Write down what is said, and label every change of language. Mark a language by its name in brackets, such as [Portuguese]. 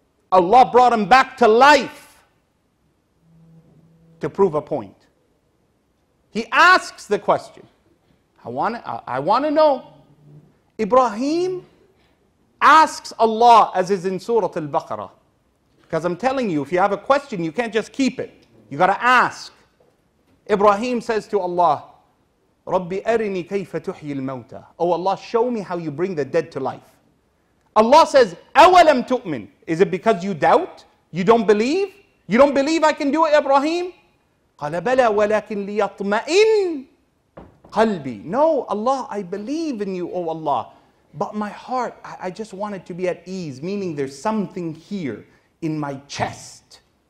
[English] Allah brought him back to life to prove a point. He asks the question, I want to know. Ibrahim asks Allah, as is in Surah Al-Baqarah, because I'm telling you, if you have a question, you can't just keep it. You got to ask. Ibrahim says to Allah, [Arabic] رَبِّ أَرِنِي كَيْفَ تُحْيِي الْمَوْتَى. [English] Oh Allah, show me how you bring the dead to life. Allah says, [Arabic] أَوَلَمْ تُؤْمِنْ. [English] Is it because you doubt? You don't believe? You don't believe I can do it, Ibrahim? [Arabic] قَالَ بَلَى وَلَكِنْ لِيَطْمَئِنْ قَلْبِي. [English] No, Allah, I believe in you, oh Allah. But my heart, I just want it to be at ease, meaning there's something here in my chest.